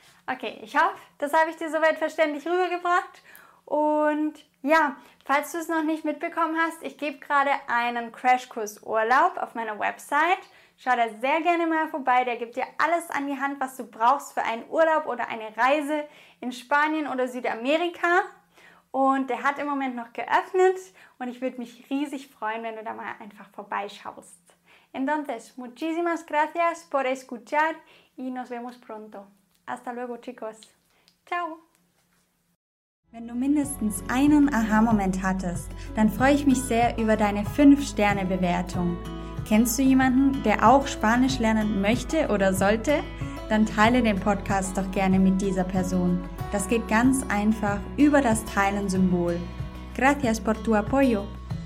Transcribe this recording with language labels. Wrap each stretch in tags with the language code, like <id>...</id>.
<de>Okay, ich hoffe, das habe ich dir soweit verständlich rübergebracht. Und ja, falls du es noch nicht mitbekommen hast, ich gebe gerade einen Crashkurs Urlaub auf meiner Website. Schau da sehr gerne mal vorbei, der gibt dir alles an die Hand, was du brauchst für einen Urlaub oder eine Reise in Spanien oder Südamerika. Und der hat im Moment noch geöffnet und ich würde mich riesig freuen, wenn du da mal einfach vorbeischaust.</de> <es>Entonces, muchísimas gracias por escuchar y nos vemos pronto. Hasta luego, chicos. Ciao.</es> <de>Wenn du mindestens einen Aha-Moment hattest, dann freue ich mich sehr über deine 5-Sterne-Bewertung. Kennst du jemanden, der auch Spanisch lernen möchte oder sollte? Dann teile den Podcast doch gerne mit dieser Person. Das geht ganz einfach über das Teilen-Symbol.</de> <es>Gracias por tu apoyo.</es>